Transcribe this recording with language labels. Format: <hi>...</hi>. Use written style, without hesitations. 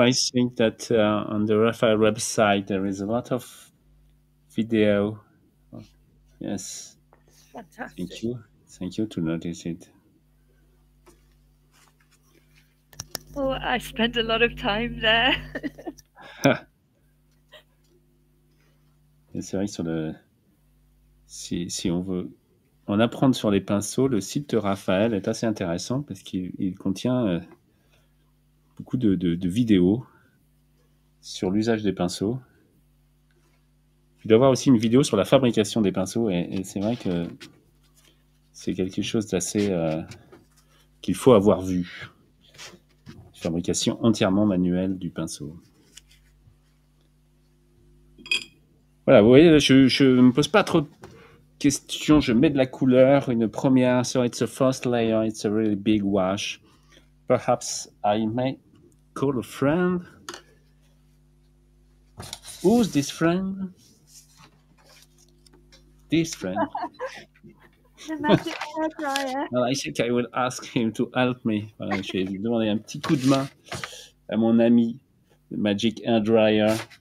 <en>I think that on the Raphael website there is a lot of video. Yes. Fantastic. Thank you. Thank you to notice it. Oh, I spent a lot of time there.</en> <fr>C'est vrai, sur le, si on veut en apprendre sur les pinceaux, le site de Raphael est assez intéressant parce qu'il contient beaucoup de vidéos sur l'usage des pinceaux. Il doit avoir aussi une vidéo sur la fabrication des pinceaux et c'est vrai que c'est quelque chose d'assez qu'il faut avoir vu. Fabrication entièrement manuelle du pinceau. Voilà, vous voyez, je me pose pas trop de questions. Je mets de la couleur, une première.</fr> <en>So it's a first layer. It's a really big wash. Perhaps I may call a friend. Who's this friend? This friend. The magic hair dryer. Well, I think I will ask him to help me.</en> <fr>Voilà, je vais lui demander un petit coup de main à mon ami, le magic hair dryer.</fr>